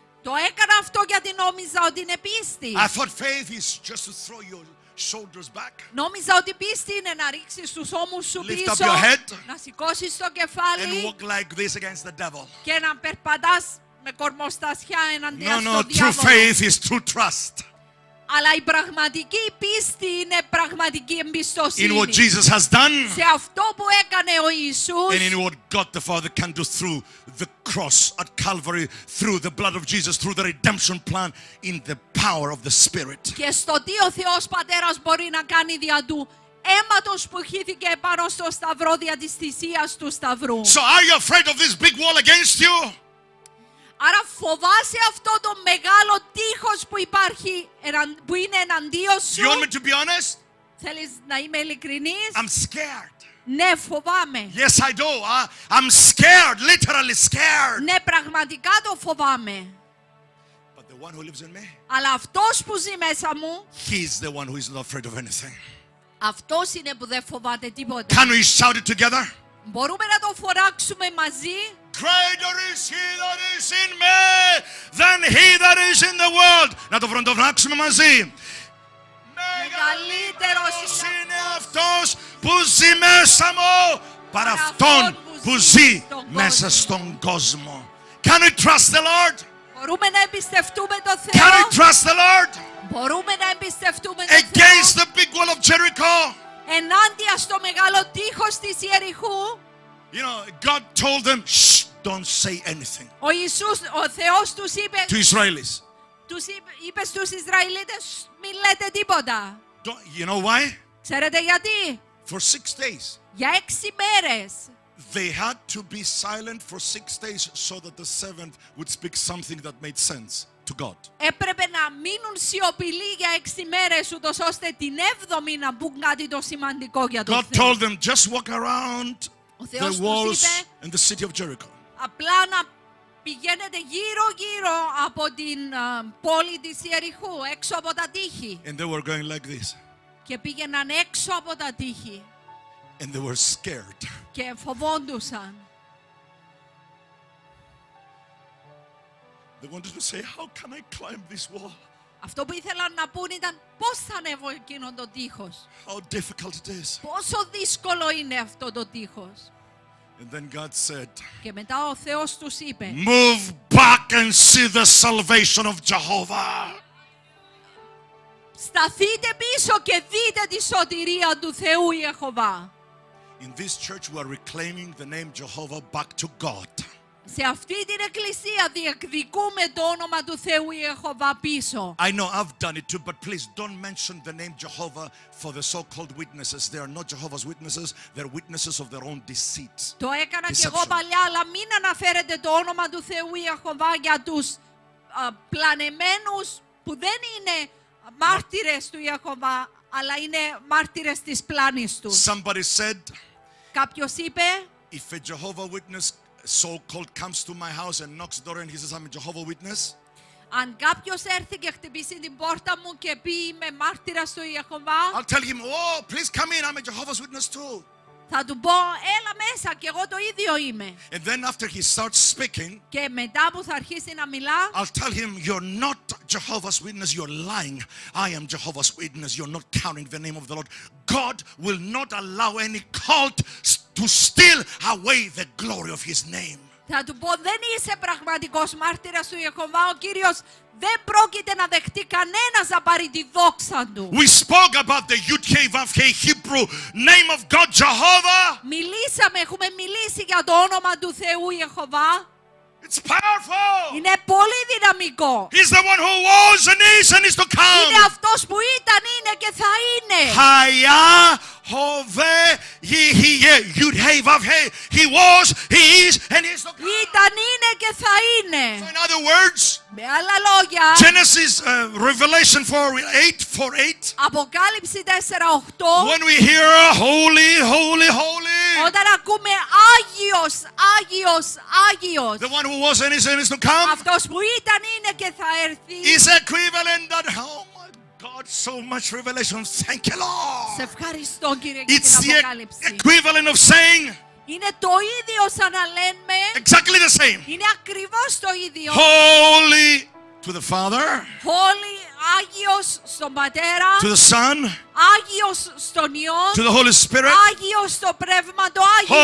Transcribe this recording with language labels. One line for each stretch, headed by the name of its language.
Greek: Το έκανα αυτό γιατί νόμιζα ότι είναι πίστη.
English: I thought faith is just to throw your shoulders back.
Greek: Νόμιζα ότι πίστη είναι να ρίξεις τους ώμους σου
English: Lift
Greek: πίσω,
English: up your head,
Greek: να σηκώσεις το κεφάλι
English: and walk like this against the devil.
Greek: Και να περπατάς με κορμοστασιά εναντίον
English: no,
Greek: στον διάβολο.
English: No, true faith is true trust.
Greek: Αλλά η πραγματική πίστη είναι πραγματική εμπιστοσύνη.
English: In what Jesus has done,
Greek: σε αυτό που έκανε ο Ιησούς.
English: And in what God the Father can do through the cross at Calvary, through the blood of Jesus, through the redemption plan in the power of the Spirit.
Greek: Και στο τι ο Θεός Πατέρας μπορεί να κάνει δια του αίματος που χύθηκε πάνω στο Σταυρό, δια της θυσίας του Σταυρού.
English: So are you afraid of this big wall against you?
Greek: Άρα φοβάσαι αυτό το μεγάλο τείχος που υπάρχει, που είναι εναντίον σου.
English: You want me to be honest?
Greek: Θέλεις να είμαι ειλικρινής?
English: I'm scared.
Greek: Ναι, φοβάμαι.
English: Yes, I do. I'm scared, literally scared.
Greek: Ναι, πραγματικά το φοβάμαι.
English: But the one who lives in me,
Greek: αλλά αυτός που ζει μέσα μου,
English: he's the one who is not afraid of anything.
Greek: Αυτός είναι που δεν φοβάται τίποτα.
English: Can we shout it together?
Greek: Μπορούμε να το φωνάξουμε μαζί.
English: Greater is he that is in me than he that is in the world.
Greek: Να το φροντοφράξουμε μαζί. Μεγαλύτερος είναι αυτός που ζει μέσα μου παρά αυτόν που ζει μέσα στον κόσμο.
English: Can we trust the Lord?
Greek: Μπορούμε να εμπιστευτούμε το Θεό.
English: Can we trust the Lord?
Greek: Μπορούμε να εμπιστευτούμε το
English: Θεό. Against the big wall of Jericho.
Greek: Ενάντια στο μεγάλο τείχος της Ιεριχού.
English: You know, God told them, shh, don't say anything.
Greek: Ο Ιησούς, ο Θεός τους είπε,
English: to Israelis.
Greek: Τους είπε στους Ισραηλίτες, μη λέτε τίποτα.
English: Don't, you know why?
Greek: Ξέρετε γιατί?
English: For 6 days.
Greek: Για 6 μέρες.
English: They had to be silent for 6 days so that the 7th would speak something that made sense to God.
Greek: Έπρεπε να μείνουν σιωπηλοί για 6 μέρες, ούτως ώστε την 7η να μπουν κάτι το σημαντικό για τον
English: Θεό. God told them, just walk around the walls in the city of Jericho.
Greek: Απλά να πηγαίνετε γύρω-γύρω από την πόλη της Ιεριχού, έξω από τα τείχη.
English: And they were going like this.
Greek: Και πήγαιναν έξω από τα τείχη.
English: And they were scared.
Greek: Και φοβόντουσαν.
English: They wanted to say, how can I climb this wall?
Greek: Αυτό που ήθελαν να πούν ήταν πώς θα ανέβω εκείνο το τείχος.
English: How difficult it is.
Greek: Πόσο δύσκολο είναι αυτό το τείχος.
English: And then God said,
Greek: και μετά ο Θεός τους είπε,
English: move back and see the salvation of Jehovah.
Greek: Σταθείτε πίσω και δείτε τη σωτηρία του Θεού Ιεχωβά.
English: In this church we are reclaiming the name Jehovah back to God.
Greek: Σε αυτή την εκκλησία διεκδικούμε το όνομα του Θεού Ιεχωβά πίσω.
English: I know I've done it too, but please don't mention the name Jehovah for the so-called witnesses. They are not Jehovah's witnesses. They're witnesses of their own deceit.
Greek: Το έκανα και εγώ παλιά, αλλά μην αναφέρετε το όνομα του Θεού Ιεχωβά για τους πλανεμένους που δεν είναι μάρτυρες του Ιεχωβά, αλλά είναι μάρτυρες της πλάνης του.
English: Somebody said.
Greek: Κάποιος είπε.
English: If a Jehovah witness so-called comes to my house and knocks the door and he says, I'm a Jehovah's Witness.
Greek: Αν κάποιος έρθει και χτυπήσει την πόρτα μου και πει είμαι μάρτυρας του Ιεχωβά,
English: I'll tell him, oh, please come in, I'm a Jehovah's Witness too.
Greek: Θα του πω, έλα μέσα και εγώ το ίδιο είμαι.
English: And then after he starts speaking,
Greek: και μετά που θα αρχίσει να μιλά,
English: I'll tell him, you're not Jehovah's Witness, you're lying. I am Jehovah's Witness, you're not carrying the name of the Lord. God will not allow any cult to steal away the glory of his name.
Greek: Θα του πω, δεν είσαι πραγματικός μάρτυρας του Ιεχωβά, ο Κύριος δεν πρόκειται να δεχτεί κανένας να πάρει τη δόξα του.
English: We spoke about the Yud Kei Vav Kei Hebrew name of God Jehovah.
Greek: Μιλήσαμε, έχουμε μιλήσει για το όνομα του Θεού Ιεχωβά.
English: It's powerful.
Greek: Είναι πολύ δυναμικό.
English: He's the one who was and is and is to come.
Greek: Είναι αυτός που ήταν, είναι και θα είναι.
Hebrew: Haya Hove Yihye Yud Hei Vav Hei.
English: He was, he is and is to come.
Greek: Ήταν, είναι και θα είναι.
English: So in other words,
Greek: με άλλα λόγια,
English: Genesis Revelation 4:8.
Greek: Αποκάλυψη 4:8.
English: When we hear holy, holy, holy.
Greek: Όταν ακούμε Άγιος, Άγιος, Άγιος.
English: The one who was and is and is to come.
Greek: Αυτός που ήταν, είναι και θα έρθει.
English: Is equivalent that home. God, so much revelation. Thank you, Lord.
Greek: Σε ευχαριστώ, Κύριε,
English: it's
Greek: για την αποκάλυψη.
English: The equivalent of saying.
Greek: Είναι το ίδιο σαν να λέμε.
English: Exactly the same.
Greek: Είναι ακριβώς το ίδιο.
English: Holy to the Father.
Greek: Holy, Άγιος στον Πατέρα.
English: To the Son.
Greek: Άγιος στον Υιό.
English: To the Holy Spirit.
Greek: Άγιος στο Πνεύμα το Άγιο.